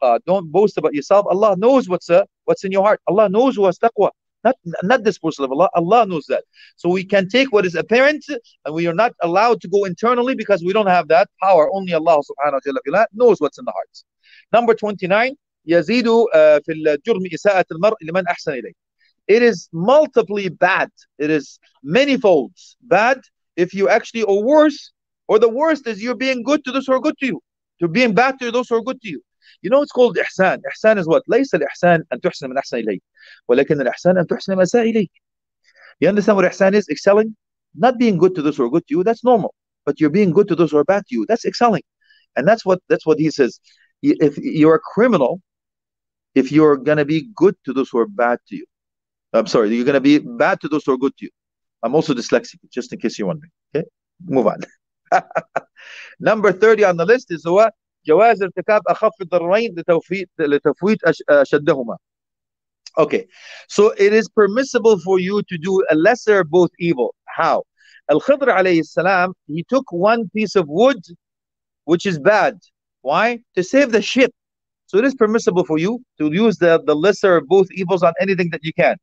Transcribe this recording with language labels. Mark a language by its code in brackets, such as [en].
[en] Don't boast about yourself. Allah knows what's in your heart. Allah knows who has taqwa. Not this person of Allah. Allah knows that. So we can take what is apparent, and we are not allowed to go internally because we don't have that power. Only Allah subhanahu wa ta'ala knows what's in the heart. Number 29. [ar] يزيد في الجرم إساءة المرء لمن أحسن إليه. [en] It is multiply bad. It is many folds bad if you actually, or worse, or the worst is you're being good to those who are good to you, to being bad to those who are good to you. You know, it's called إحسان. إحسان is what? [ar] ليس الإحسان أن تحسن من أحسن إليه ولكن الإحسان أن تحسن من أساء إليه. [en] You understand what إحسان is? Excelling. Not being good to those who are good to you, that's normal. But you're being good to those who are bad to you, that's excelling. And that's what he says. If you're a criminal, if you're going to be good to those who are bad to you, I'm sorry, you're going to be bad to those who are good to you. I'm also dyslexic, just in case you're wondering. Okay, move on. Number 30 on the list is what? [ar] جواز ارتكاب أخف الضررين لتفويت أشدهما. [en] Okay, so it is permissible for you to do a lesser of both evil. How? Al-Khidr alayhi salam, he took one piece of wood, which is bad. Why? To save the ship. So it is permissible for you to use the lesser of both evils on anything that you can.